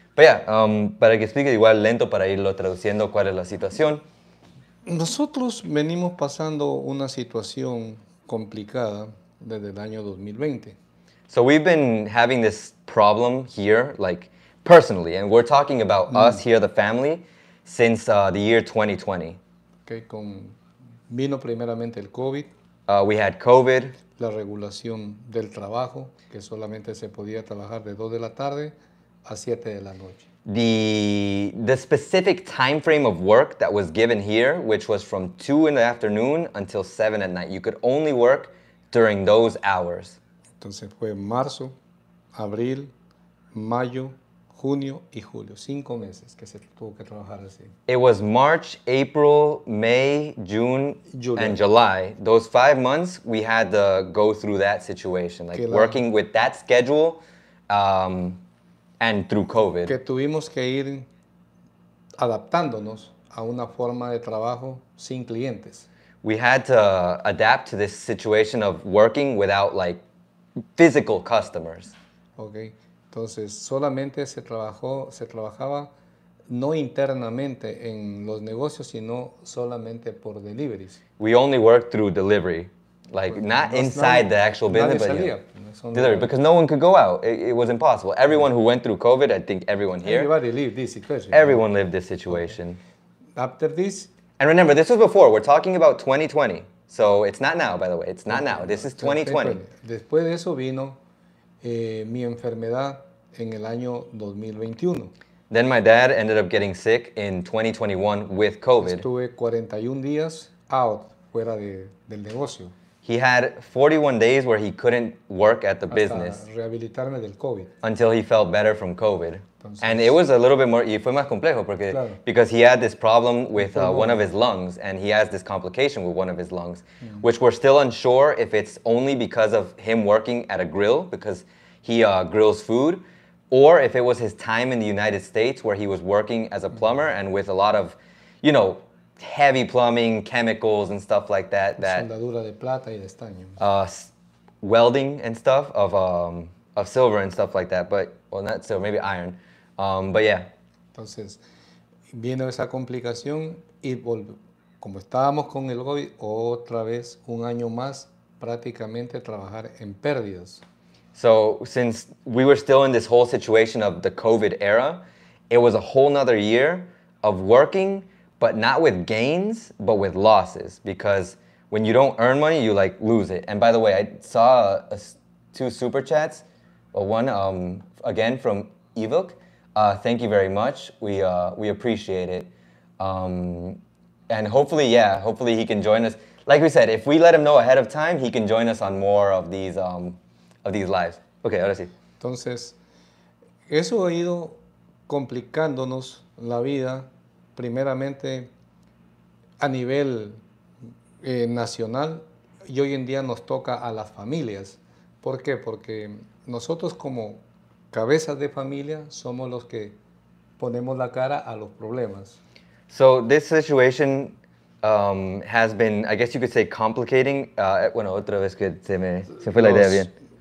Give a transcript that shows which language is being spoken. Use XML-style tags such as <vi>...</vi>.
<es>Pero, para que explique igual lento para irlo traduciendo, ¿cuál es la situación? Nosotros venimos pasando una situación complicada desde el año 2020.</es> <en>So we've been having this problem here, like, personally, and we're talking about us here, the family, since the year 2020.</en> <es>Okay, vino primeramente el COVID.</es> <en>We had COVID.</en> <es>La regulación del trabajo, que solamente se podía trabajar de 2 de la tarde a 7 de la noche.</es> <en>The specific time frame of work that was given here, which was from 2 in the afternoon until 7 at night. You could only work during those hours.</en> <es>Entonces fue marzo, abril, mayo, junio y julio. 5 meses que se tuvo que trabajar así.</es> <en>It was March, April, May, June, July. And July. Those 5 months, we had to go through that situation. Like working with that schedule and through COVID.</en> <es>Que tuvimos que ir adaptándonos a una forma de trabajo sin clientes.</es> <en>We had to adapt to this situation of working without like physical customers. Okay.</en> <es>Entonces, solamente se trabajaba no internamente en los negocios, sino solamente por deliveries.</es> <en>We only worked through delivery. Like, pues, not inside the actual business,</en> <es>salía,</es> <en>but yeah. Delivery, because no one could go out. It was impossible. Everyone who went through COVID, I think everyone here. Everybody lived this situation. Everyone lived this situation. Okay. After this. And remember, this was before. We're talking about 2020. So it's not now, by the way. It's not now. This is 2020.</en> <es>Después de eso vino mi enfermedad en el año 2021.</es> <en>Then my dad ended up getting sick in 2021 with COVID.</en> <es>Estuve 41 días out, fuera del negocio.</es> <en>He had 41 days where he couldn't work at the business.</en> <es>Rehabilitarme del COVID.</es> <en>Until he felt better from COVID. Entonces, and it was a little bit more,</en> <es>y fue más complejo porque, claro.</es> <en>Because he had this problem with one of his lungs, and he has this complication with one of his lungs, mm-hmm. Which we're still unsure if it's only because of him working at a grill, because he grills food, or if it was his time in the United States where he was working as a plumber, mm-hmm. And with a lot of, you know, heavy plumbing, chemicals and stuff like that. Soldadura de plata y de estaño. Welding and stuff of silver and stuff like that. But, well, not silver, maybe iron. But yeah.</en> <es>Entonces, viendo esa complicación, y como estábamos con el COVID, otra vez un año más prácticamente trabajar en pérdidas.</es> <en>So, since we were still in this whole situation of the COVID era, it was a whole nother year of working, but not with gains, but with losses. Because when you don't earn money, you like lose it. And by the way, I saw two super chats. Well, one again from Evok. Thank you very much. We appreciate it. And hopefully he can join us. Like we said, if we let him know ahead of time, he can join us on more of these lives.</en> <es>Okay, ahora sí. Entonces, eso ha ido complicándonos la vida. Primeramente a nivel nacional y hoy en día nos toca a las familias. ¿Por qué? Porque nosotros como cabezas de familia somos los que ponemos la cara a los problemas.</es> <en>So this situation has been, I guess you could say, complicating.</en> <es>Bueno, otra vez que se fue la idea bien.</es>